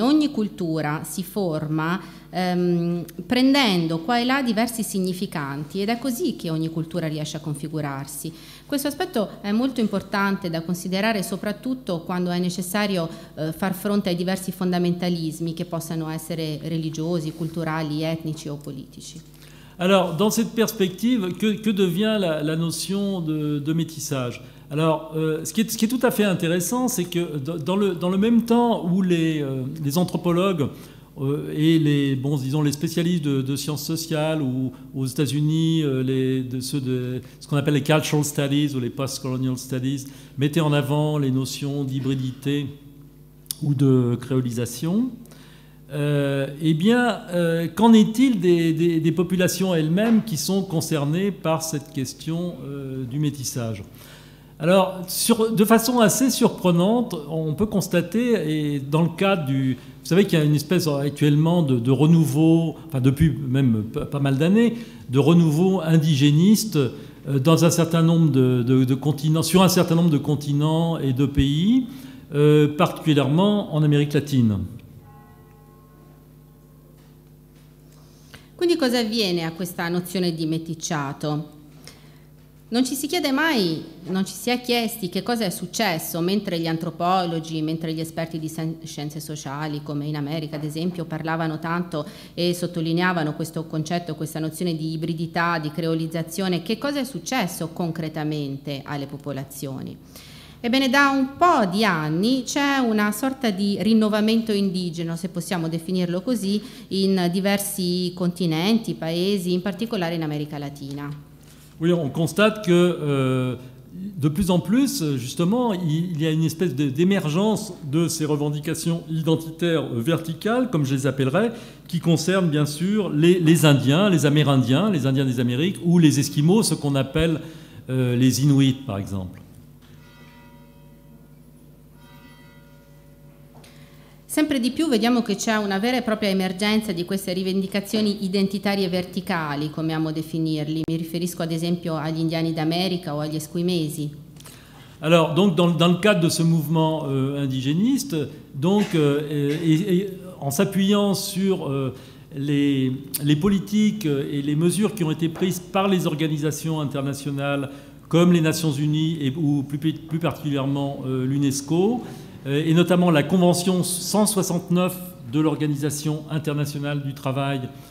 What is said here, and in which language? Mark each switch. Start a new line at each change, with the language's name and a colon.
Italian: Ogni cultura si forma prendendo qua e là diversi significanti ed è così che ogni cultura riesce a configurarsi. Questo aspetto è molto importante da considerare soprattutto quando è necessario far fronte ai diversi fondamentalismi che possano essere religiosi, culturali, etnici o politici.
French: Alors, dans cette perspective, que devient la notion de métissage? Alors, ce qui est tout à fait intéressant, c'est que dans le même temps où les anthropologues et les spécialistes de sciences sociales ou aux États-Unis, ce qu'on appelle les cultural studies ou les post-colonial studies, mettaient en avant les notions d'hybridité ou de créolisation, qu'en est-il des populations elles-mêmes qui sont concernées par cette question du métissage ? Alors, de façon assez surprenante, on peut constater, et dans le cadre du... Vous savez qu'il y a une espèce actuellement de renouveau, enfin depuis même pas mal d'années, de renouveau indigéniste dans un certain nombre de continents, sur un certain nombre de continents et de pays, particulièrement en Amérique latine.
Italian: Quindi cosa avviene a questa nozione di meticciato? Non ci si chiede mai, non ci si è chiesti che cosa è successo mentre gli antropologi, mentre gli esperti di scienze sociali, come in America ad esempio, parlavano tanto e sottolineavano questo concetto, questa nozione di ibridità, di creolizzazione, che cosa è successo concretamente alle popolazioni. Ebbene, da un po' di anni c'è una sorta di rinnovamento indigeno, se possiamo definirlo così, in diversi continenti, paesi, in particolare in America Latina.
French: Oui, on constate que de plus en plus, justement, il y a une espèce d'émergence de ces revendications identitaires verticales, comme je les appellerais, qui concernent bien sûr les Indiens, les Amérindiens, les Indiens des Amériques, ou les Esquimaux, ce qu'on appelle les Inuits, par exemple.
Italian: Sempre di più vediamo che c'è una vera e propria emergenza di queste rivendicazioni identitarie verticali, come amo definirli. Mi riferisco ad esempio agli indiani d'America o agli esquimesi.
French: Alors, donc, dans le cadre de ce mouvement indigéniste, donc, en s'appuyant sur les politiques et les mesures qui ont été prises par les organisations internationales, comme les Nations Unies ou plus particulièrement l'UNESCO, et notamment la convention 169 de l'Organisation internationale du travail,